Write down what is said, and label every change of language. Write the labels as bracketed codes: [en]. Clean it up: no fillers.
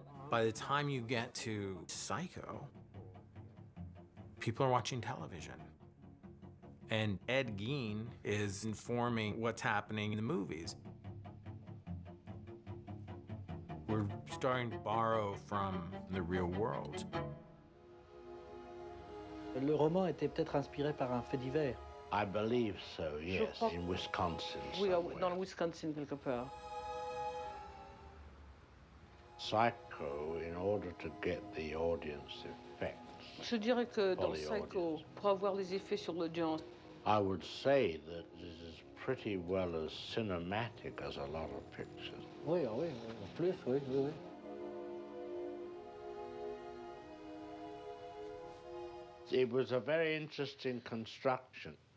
[en] By the time you get to Psycho, people are watching television. And Ed Gein is informing what's happening in the movies. We're starting to borrow from the real world. [fr] Le roman était peut-être inspiré par un fait divers. [en] I believe so, yes, in Wisconsin. [fr] Oui, dans le Wisconsin, quelque part. [en] Psycho, in order to get the audience effect. [fr] Je dirais que dans Psycho, pour avoir les effets sur l'audience, [en] I would say that this is pretty well as cinematic as a lot of pictures. [fr] Oui, oui, en plus, oui, oui, oui. [en] It was a very interesting construction.